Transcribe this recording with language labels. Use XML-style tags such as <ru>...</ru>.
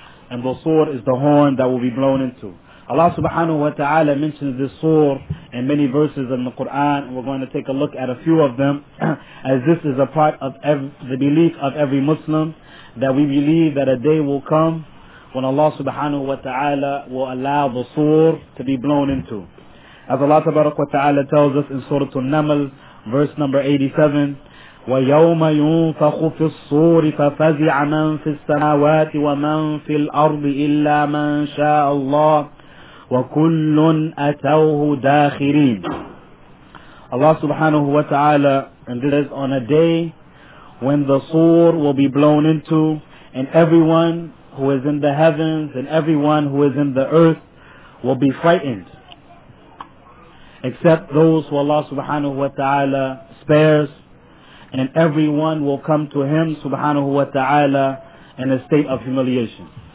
<en>And the sur is the horn that will be blown into. Allah subhanahu wa ta'ala mentions this sur in many verses in the Qur'an. We're going to take a look at a few of them, as this is a part of the belief of every Muslim, that we believe that a day will come when Allah subhanahu wa ta'ala will allow the sur to be blown into. As Allah tabarak wa ta'ala tells us in Surah An-Naml, verse number 87,</en> <ar>وَيَوْمَ يُنْفَخُ فِي الصُّورِ فَفَزِعَ مَنْ فِي السَّمَاوَاتِ وَمَنْ فِي الْأَرْضِ إِلَّا مَنْ شَاءَ اللَّهِ وَكُلٌ أَتَوْهُ دَاخِرِينَ.</ar> <en>Allah subhanahu wa ta'ala, and this is on a day when the sur will be blown into, and everyone who is in the heavens and everyone who is in the earth will be frightened, except those who Allah subhanahu wa ta'ala spares, and everyone will come to Him subhanahu wa ta'ala in a state of humiliation.</en>